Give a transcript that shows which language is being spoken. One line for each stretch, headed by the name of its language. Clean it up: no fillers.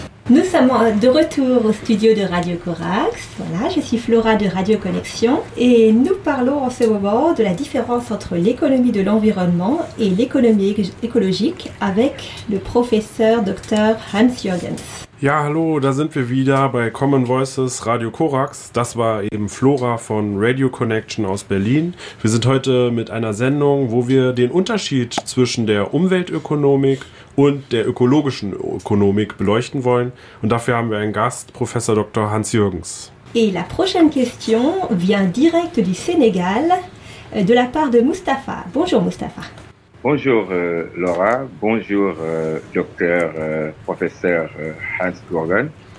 French: Nous sommes de retour au studio de Radio Corax. Voilà, je suis Flora de Radio Connexion et nous parlons en ce moment de la différence entre l'économie de l'environnement et l'économie écologique avec le professeur Dr. Hans Jürgens.
German: Ja, hallo, da sind wir wieder bei Common Voices Radio Corax. Das war eben Flora von Radio Connection aus Berlin. Wir sind heute mit einer Sendung, wo wir den Unterschied zwischen der Umweltökonomik und der ökologischen Ökonomik beleuchten wollen. Und dafür haben wir einen Gast, Professor Dr. Hans Jürgens.
French: Et la prochaine question vient direct du Sénégal, de la part de Mustapha. Bonjour Mustapha. Bonjour Laura, bonjour docteur, professeur Hans Gorgon.